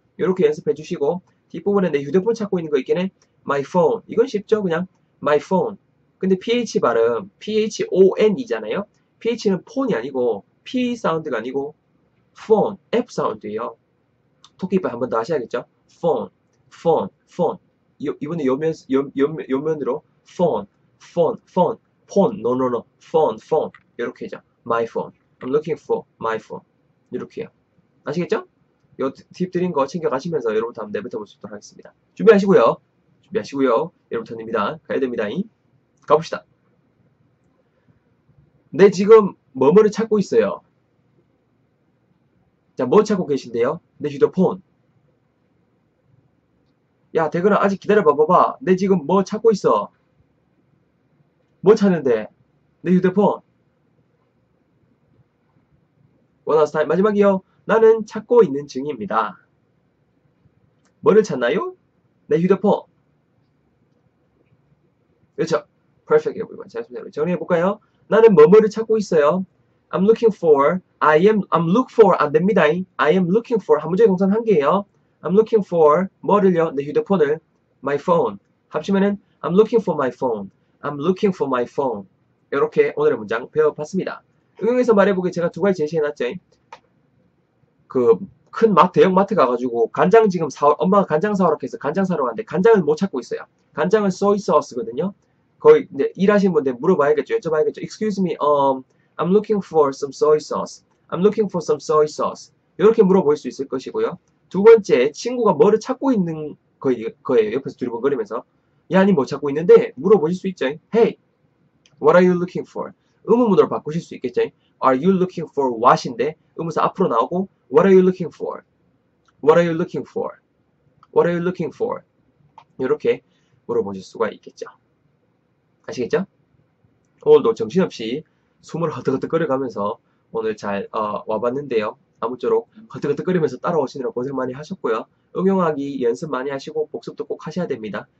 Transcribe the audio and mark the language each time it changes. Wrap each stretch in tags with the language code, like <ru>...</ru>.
<ko>요렇게 연습해 주시고, 뒷부분에 내 휴대폰 찾고 있는 거 있겠네?</ko> <en>My phone.</en> <ko>이건 쉽죠? 그냥. My phone. 근데 PH 발음. PHON 이잖아요? PH는 폰이 아니고, P 사운드가 아니고, phone. F 사운드예요. 토끼 발음 한번더 하셔야겠죠?</ko> <en>Phone. Phone. Phone.</en> <ko>이번에 요면으로 phone, phone, no, no, no, phone, 이렇게 하죠.</ko> <en>My phone, I'm looking for my phone,</en> <ko>이렇게요. 아시겠죠? 요팁 드린 거 챙겨가시면서 여러분도 한번 내뱉어볼 수 있도록 하겠습니다. 준비하시고요. 여러분입니다. 가야 됩니다. 가봅시다. 네, 지금 뭐뭐를 찾고 있어요. 자, 뭐 찾고 계신데요? 내 휴대폰. 야, 대근아, 아직 기다려봐봐봐. 내 지금 뭐 찾고 있어? 뭐 찾는데? 내 휴대폰.</ko> <en>One last time.</en> <ko>마지막이요. 나는 찾고 있는 중입니다. 뭐를 찾나요? 내 휴대폰. 그렇죠.</ko> <en>Perfect, everyone.</en> <ko>정리해볼까요? 나는 뭐뭐를 찾고 있어요.</ko> <en>I'm looking for. I'm look for.</en> <ko>안 됩니다.</ko> <en>I am looking for.</en> <ko>한 문제 동사는 한 개예요. I'm looking for 뭐를요? 내 휴대폰을.</ko> <en>My phone.</en> <ko>합치면은</ko> <en>I'm looking for my phone. I'm looking for my phone.</en> <ko>이렇게 오늘의 문장 배워봤습니다. 응용해서 말해보기 제가 두 가지 제시해놨죠. 그큰 마트, 대형 마트 가가지고 간장 지금 사, 엄마가 간장 사오라고 해서 간장 사러 왔는데 간장을 못 찾고 있어요. 간장은 소이소스거든요. 거의 이제 일하시는 분들 물어봐야겠죠, 여쭤봐야겠죠.</ko> <en>Excuse me, I'm looking for some soy sauce. I'm looking for some soy sauce.</en> <ko>이렇게 물어볼 수 있을 것이고요. 두 번째, 친구가 뭐를 찾고 있는 거예요. 옆에서 두리번거리면서. 야, 니뭐 찾고 있는데? 물어보실 수 있죠.</ko> <en>Hey, what are you looking for?</en> <ko>의문문으로 바꾸실 수 있겠죠.</ko> <en>Are you looking for what인데?</en> <ko>의문사 앞으로 나오고,</ko> <en>What are you looking for? What are you looking for? What are you looking for?</en> <ko>이렇게 물어보실 수가 있겠죠. 아시겠죠? 오늘도 정신없이 숨을 헛득헛득거려가면서 오늘 잘 와봤는데요. 아무쪼록 헛득헛득거리면서 따라오시느라 고생 많이 하셨고요. 응용하기 연습 많이 하시고 복습도 꼭 하셔야 됩니다.</ko>